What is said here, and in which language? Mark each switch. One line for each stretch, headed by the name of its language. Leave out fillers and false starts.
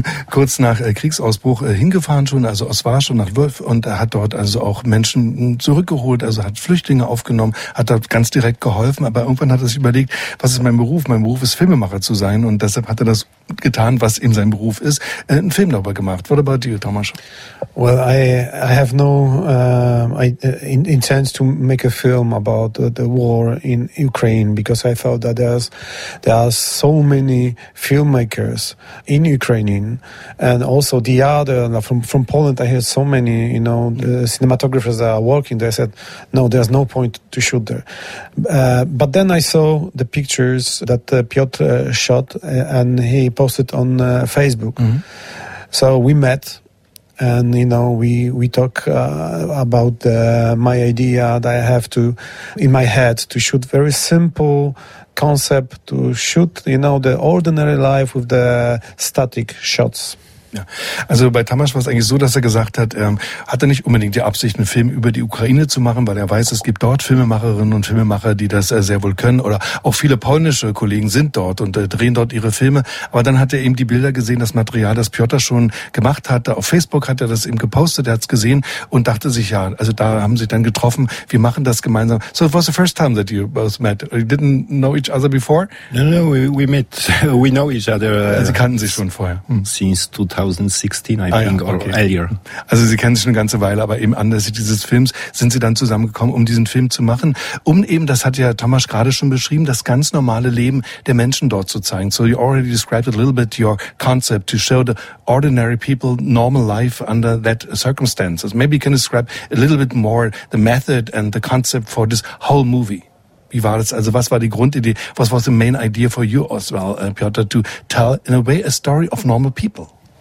German: Kurz nach Kriegsausbruch hingefahren schon, also aus Warschau nach Lviv, und er hat dort also auch Menschen zurückgeholt, also hat Flüchtlinge aufgenommen, hat dort ganz direkt geholfen, aber irgendwann hat er sich überlegt, was ist mein Beruf? Mein Beruf ist Filmemacher zu sein, und deshalb hat er das getan, was ihm sein Beruf ist, einen Film darüber gemacht.
English: What about you, Tomasz? Well, I have no intent to make a film about the war in Ukraine, because I thought that there are so many filmmakers in Ukrainian, and also the other from Poland, I heard so many, you know, the cinematographers that are working there. I said, no, there's no point to shoot there. But then I saw the pictures that Piotr shot and he posted on Facebook. Mm-hmm. So we met, and you know, we talk about my idea that I have to in my head to shoot very simple concept, to shoot, you know, the ordinary life with the static shots.
German: Ja. Also bei Tomasz war es eigentlich so, dass er gesagt hat, hat er nicht unbedingt die Absicht, einen Film über die Ukraine zu machen, weil er weiß, es gibt dort Filmemacherinnen und Filmemacher, die das sehr wohl können, oder auch viele polnische Kollegen sind dort und drehen dort ihre Filme. Aber dann hat er eben die Bilder gesehen, das Material, das Piotr schon gemacht hatte. Auf Facebook hat er das eben gepostet, er hat es gesehen und dachte sich, ja, also da haben sie dann getroffen, wir machen das gemeinsam.
English: So it was the first time that you both met. You didn't know each other before? No, we met, we know each other.
German: Sie kannten sich schon vorher.
English: Since 2016, I think,
German: ja, okay.
English: Or earlier.
German: Also Sie kennen sich eine ganze Weile, aber eben anlässlich dieses Films sind Sie dann zusammengekommen, um diesen Film zu machen, um eben, das hat ja Tomasz gerade schon beschrieben, das ganz normale Leben der Menschen dort zu zeigen.
English: So you already described a little bit your concept to show the ordinary people normal life under that circumstances. Maybe you can describe a little bit more the method and the concept for this whole movie.
German: Wie war das? Also was war die Grundidee?
English: What was the main idea for you as well, Piotr, to tell in a way a story of normal people?